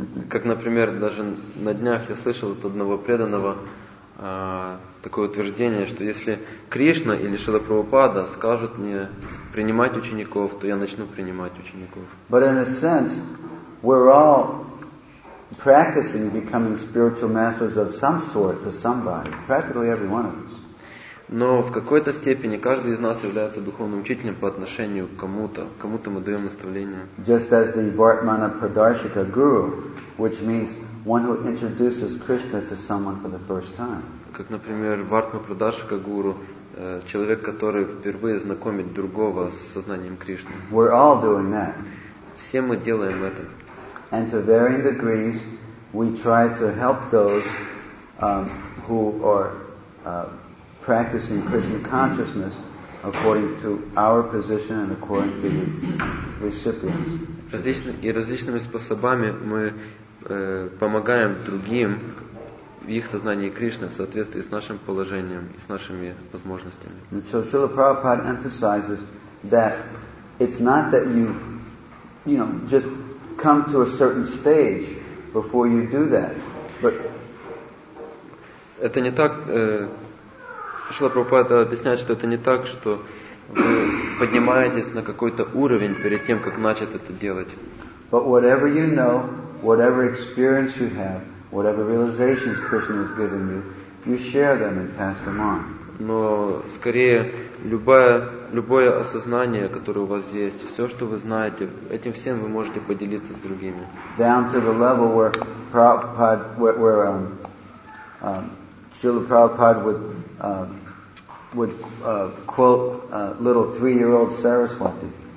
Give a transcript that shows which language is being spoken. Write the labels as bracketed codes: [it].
[ru] Как, например, даже на днях я слышал от одного преданного такое утверждение, что если Кришна или Шрила Прабхупада скажут мне принимать учеников, то я начну принимать учеников. [en] But in a sense, we're all practicing becoming spiritual masters of some sort to somebody, practically every one of us. [ru] Но в какой-то степени каждый из нас является духовным учителем по отношению к кому-то. Кому-то мы даем наставление. [en] Just as the Vartmana Pradarshika Guru, which means one who introduces Krishna to someone for the first time. [ru] Как, например, Вартма Прадашика Гуру, человек, который впервые знакомит другого с сознанием Кришны. [en] We're all doing that. [ru] Все мы делаем это. [en] And to varying degrees, we try to help those who are practicing Krishna consciousness according to our position and according to the recipients. [ru] Различными способами мы помогаем другим в их сознании Кришны в соответствии с нашим положением и с нашими возможностями. [en] And so Srila Prabhupada emphasizes that it's not that you just come to a certain stage before you do that, but [ru] это не так. Шрила Прабхупада объясняет, что это не так, что вы поднимаетесь на какой-то уровень перед тем, как начать это делать. [en] But whatever you know, whatever experience you have, whatever realizations Krishna has given you, you share them and pass them on. [ru] Но скорее любое осознание, которое у вас есть, все, что вы знаете, этим всем вы можете поделиться с другими. [en] Down to the level where Prabhupada, Srila Prabhupada would quote a little 3-year-old Saraswati.